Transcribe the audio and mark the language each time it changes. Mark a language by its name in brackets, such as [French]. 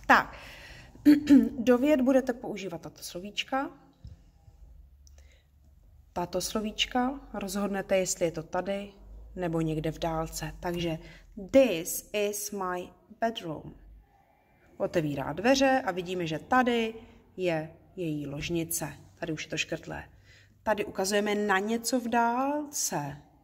[Czech] Tak, do věd budete používat tato slovíčka. Tato slovíčka rozhodnete, jestli je to tady nebo někde v dálce. [English] Takže this is my bedroom. [Czech] Otevírá dveře a vidíme, že tady je její ložnice. Tady už je to škrtlé. Tady ukazujeme na něco v dálce.